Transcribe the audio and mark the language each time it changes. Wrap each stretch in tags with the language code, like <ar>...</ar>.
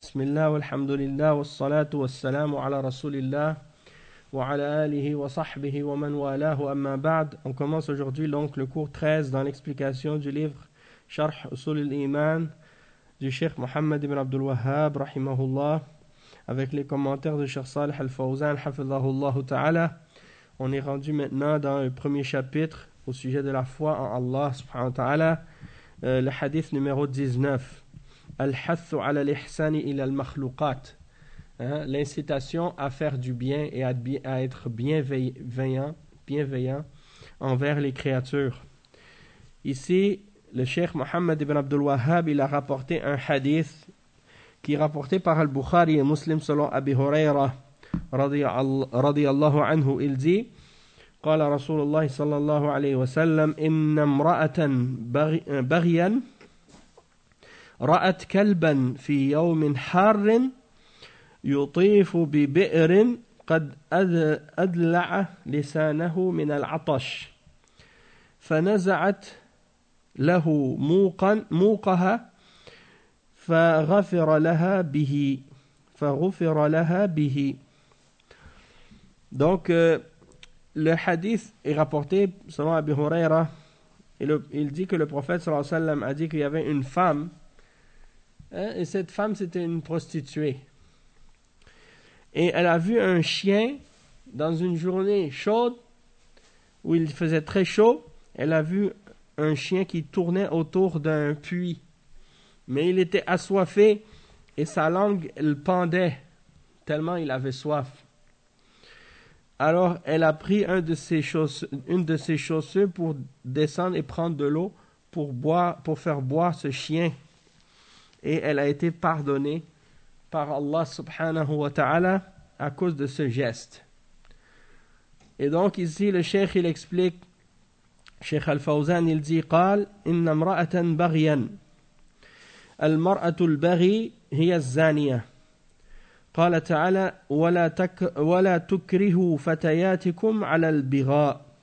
<ar>بسم الله والحمد لله والصلاة والسلام على رسول الله وعلى آله وصحبه ومن والاه أما بعد.</ar> <fr>On commence aujourd'hui donc le cours 13 dans l'explication du livre Sharh Usul al-Iman du Cheikh Mohammed ibn Abdul Wahhab rahimahullah avec les commentaires de Cheikh Saleh al-Fawzan hafidhahullahu ta'ala. On est rendu maintenant dans le premier chapitre au sujet de la foi en Allah subhanahu wa ta'ala, le hadith numéro 19.</fr> <ar>الحث على الإحسان إلى المخلوقات،</ar> <fr>l'incitation à faire du bien et à être bienveillant envers les créatures. Ici, le Cheikh Mohammed ibn Abdul Wahhab il a rapporté un hadith qui est rapporté par Al-Bukhari et Muslim selon Abi Huraira radiyallahu anhu. Il dit</fr> <ar>قال رسول الله صلى الله عليه وسلم إن امرأة بغيا رأت كلبا في يوم حار يطيف ببئر قد أدلع لسانه من العطش فنزعت له موقها فغفر لها به فغفر لها به.</ar> <fr>Donc le hadith est rapporté selon Abi Huraira. Il dit que le prophète</fr> <ar>صلى الله عليه وسلم</ar> <fr>a dit qu'il y avait une femme. Et cette femme, c'était une prostituée. Et elle a vu un chien dans une journée chaude, où il faisait très chaud. Elle a vu un chien qui tournait autour d'un puits. Mais il était assoiffé et sa langue, elle pendait tellement il avait soif. Alors, elle a pris une de ses chaussures pour descendre et prendre de l'eau pour faire boire ce chien. Et elle a été pardonnée par Allah subhanahu wa ta'ala à cause de ce geste. Et donc ici le cheikh il explique, cheikh al-Fawzan il dit «</fr> <ar>قال إن امرأة بغيا المرأة البغي هي الزانية قال تعالى ولا تكرهوا فتياتكم على البغاء</ar>